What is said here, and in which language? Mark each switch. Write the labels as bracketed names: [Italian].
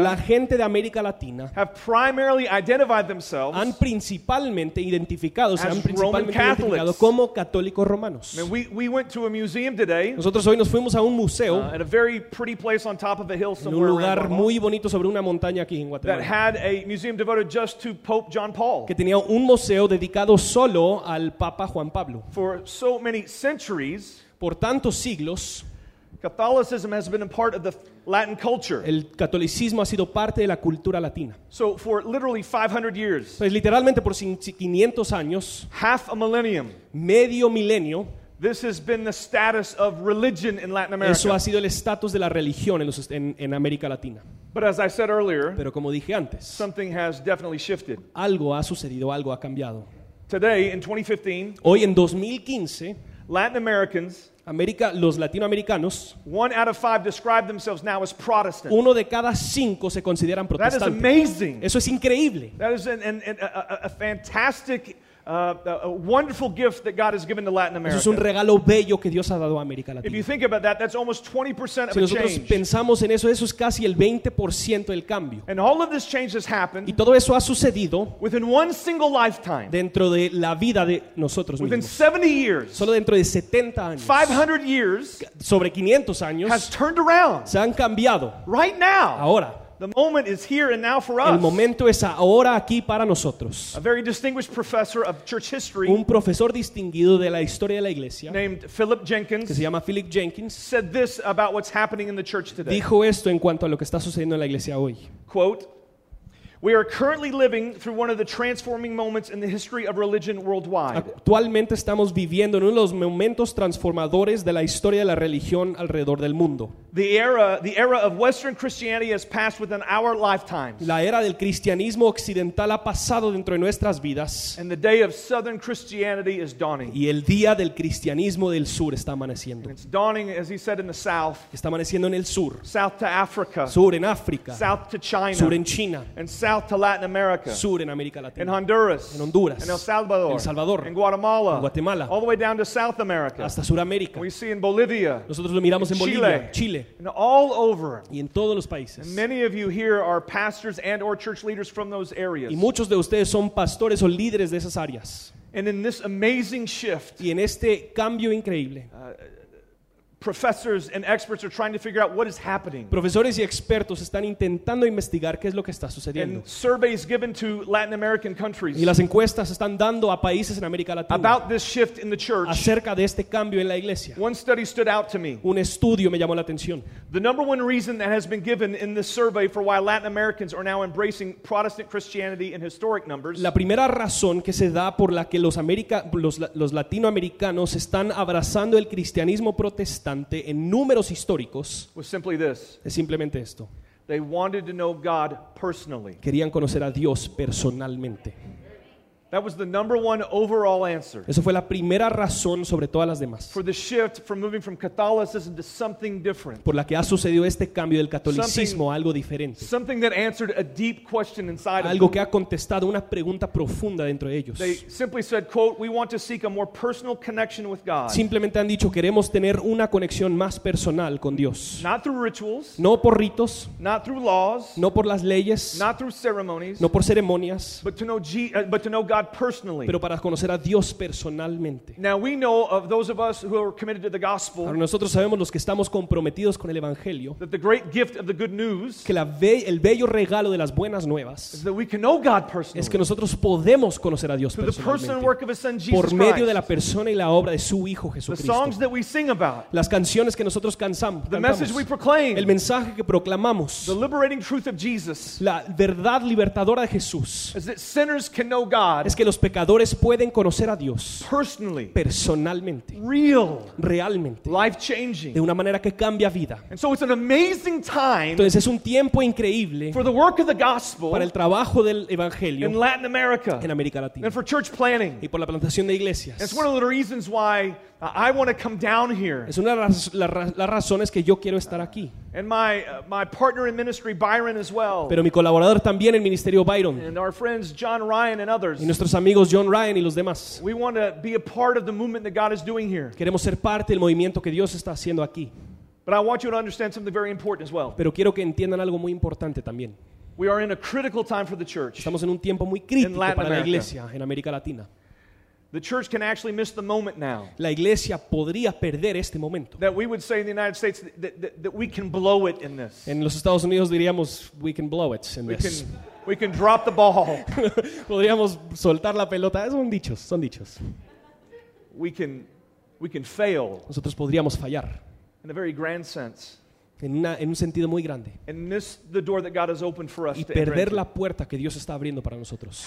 [Spanish] la gente de América Latina, [English] have primarily identified themselves, [Spanish] han principalmente identificado, [English] as [Spanish] se han principalmente [English] Roman Catholics, [Spanish] identificado como católicos romanos. [English] I mean, we went to a museum today. [Spanish] Nosotros hoy nos fuimos a un museo. [English] At a very pretty place on top of a hill somewhere. [Spanish] En un lugar muy bonito sobre una montaña aquí en Guatemala. [English] That had a museum devoted just to Pope John Paul. [Spanish] Que tenía un museo dedicado solo al Papa Juan Pablo. [English] For so many centuries, [Spanish] por tantos siglos, [English] Catholicism has been a part of the Latin culture. [Spanish] El catolicismo ha sido parte de la cultura latina. [English] So for literally 500 years, [Spanish] pues literalmente por 500 años, [English] half a millennium, [Spanish] medio milenio, [English] this has been the status of religion in Latin America. [Spanish] Eso ha sido el estatus de la religión en, los, en América Latina. [English] But as I said earlier, [Spanish] pero como dije antes, [English] something has definitely shifted. [Spanish] Algo ha sucedido, algo ha cambiado. [English] Today, in 2015, [Spanish] hoy en 2015, [English] Latin Americans, [Spanish] América, los latinoamericanos, [English] one out of five describe themselves now as Protestant. [Spanish] Uno de cada cinco se consideran protestantes. [English] That is amazing. [Spanish] Eso es increíble. [English] That is a fantastic a wonderful gift that God has given to Latin America. [Spanish] Es un regalo bello que Dios ha dado a América Latina. [English] If you think about that, that's almost 20% of [Spanish] Si nosotros pensamos en eso, eso es casi el 20% del cambio. [English] And all of this change has happened. [Spanish] Y todo eso ha sucedido [English] within one single lifetime. [Spanish] Dentro de la vida de nosotros [English] within [Spanish] mismos. [English] Within 70 years. [Spanish] Solo dentro de 70 años. [English] 500 years. [Spanish] Sobre 500 años. [English] Has turned around. [Spanish] Se han cambiado. [English] Right now. [Spanish] Ahora. [English] The moment is here and now for us. [Spanish] El momento es ahora aquí para nosotros. [English] A very distinguished professor of church history, [Spanish] un profesor distinguido de la historia de la iglesia, [English] named Philip Jenkins, [Spanish] que se llama Philip Jenkins, [English] said this about what's happening in the church today. [Spanish] Dijo esto en cuanto a lo que está sucediendo en la iglesia hoy. [English] Quote, "We are currently living through one of the transforming moments in the history of religion worldwide." [Spanish] Actualmente estamos viviendo en uno de los momentos transformadores de la historia de la religión alrededor del mundo. [English] The era of Western Christianity has passed within our lifetimes. [Spanish] La era del cristianismo occidental ha pasado dentro de nuestras vidas. [English] And the day of Southern Christianity is dawning. [Spanish] Y el día del cristianismo del sur está amaneciendo. [English] And it's dawning, as he said, in the south. [Spanish] Está amaneciendo en el sur. [English] South to Africa. [Spanish] Sur en África. [English] South to China. [Spanish] Sur en China. [English] And south to Latin America. [Spanish] Sur en América Latina. [English] In Honduras. [Spanish] En Honduras. [English] In El Salvador. [Spanish] El Salvador. [English] In Guatemala. [Spanish] En Guatemala. [English] All the way down to South America. [Spanish] Hasta Suramérica. [English] We see in Bolivia. [Spanish] Nosotros lo miramos en Bolivia. Chile. [English] And all over. [Spanish] Y en todos los países. [English] And many of you here are pastors and or church leaders from those areas. [Spanish] Y muchos de ustedes son pastores o líderes de esas áreas. [English] And in this amazing shift, [Spanish] y en este cambio increíble, [English] professors and experts are trying to figure out what is happening. [Spanish] Profesores y expertos están intentando investigar qué es lo que está sucediendo. [English] And surveys given to Latin American countries. [Spanish] Y las encuestas están dando a países en América Latina. [English] About this shift in the church. [Spanish] Acerca de este cambio en la iglesia. [English] One study stood out to me. [Spanish] Un estudio me llamó la atención. [English] The number one reason that has been given in this survey for why Latin Americans are now embracing Protestant Christianity in historic numbers. [Spanish] La primera razón que se da por la que los latinoamericanos están abrazando el cristianismo protestante en números históricos [English] was simply this. [Spanish] Es simplemente esto. [English] They wanted to know God personally. [Spanish] Querían conocer a Dios personalmente. [English] That was the number one overall answer. [Spanish] Eso fue la primera razón sobre todas las demás. [English] For the shift from moving from Catholicism to something different. [Spanish] Por la que ha sucedido este cambio del catolicismo a algo diferente. [English] Something that answered a deep question inside. [Spanish] Algo que ha contestado una pregunta profunda dentro de ellos. [English] They simply said, quote, "We want to seek a more personal connection with God." [Spanish] Simplemente han dicho, queremos tener una conexión más personal con Dios. [English] Not through rituals. [Spanish] No por ritos. [English] Not through laws. [Spanish] No por las leyes. [English] Not through ceremonies. [Spanish] No por ceremonias. [English] But to know God personally. [Spanish] Pero para conocer a Dios personalmente. [English] Now we know of those of us who are committed to the gospel. [Spanish] Ahora nosotros sabemos los que estamos comprometidos con el evangelio. [English] That the great gift of the good news. [Spanish] Que el bello regalo de las buenas nuevas. [English] Is that we can know God personally. [Spanish] Es que nosotros podemos conocer a Dios personalmente. [English] Through the person and work of His Son Jesus Christ. [Spanish] Por medio de la persona y la obra de su Hijo Jesucristo. [English] The songs that we sing about. [Spanish] Las canciones que nosotros cantamos. [English] The message we proclaim. [Spanish] El mensaje que proclamamos. [English] The liberating truth of Jesus. [Spanish] La verdad libertadora de Jesús. [English] Is that sinners can know God. [Spanish] Es que los pecadores pueden conocer a Dios [English] personally, [Spanish] personalmente, [English] real, [Spanish] realmente, [English] life changing, [Spanish] de una manera que cambia vida. [English] And so it's an amazing time. [Spanish] Entonces es un tiempo increíble [English] for the work of the gospel, [Spanish] para el trabajo del evangelio [English] in Latin America, [Spanish] en América Latina, [English] and for church planting, [Spanish] y por la plantación de iglesias. [English] It's one of the reasons why I want to come down here. [Spanish] Es una de las razones que yo quiero estar aquí. [English] And my partner in ministry Byron as well. [Spanish] Pero mi colaborador también en ministerio Byron. [English] And our friends John Ryan and others. [Spanish] Y nuestros amigos John Ryan y los demás. [English] We want to be a part of the movement that God is doing here. [Spanish] Queremos ser parte del movimiento que Dios está haciendo aquí. [English] But I want you to understand something very important as well. [Spanish] Pero quiero que entiendan algo muy importante también. [English] We are in a critical time for the church. [Spanish] Estamos en un tiempo muy crítico para la iglesia en América Latina. [English] The church can actually miss the moment now. [Spanish] La iglesia podría perder este momento. [English] That we would say in the United States that we can blow it in this. [Spanish] En los Estados Unidos diríamos [English] we can blow it in this. We can drop the ball. [Spanish] Podríamos soltar la pelota. Son dichos. [English] We can fail. [Spanish] Nosotros podríamos fallar. [English] In a very grand sense. [Spanish] En un sentido muy grande. [English] And miss the door that God has opened for us. [Spanish] Y perder la puerta que Dios está abriendo para nosotros.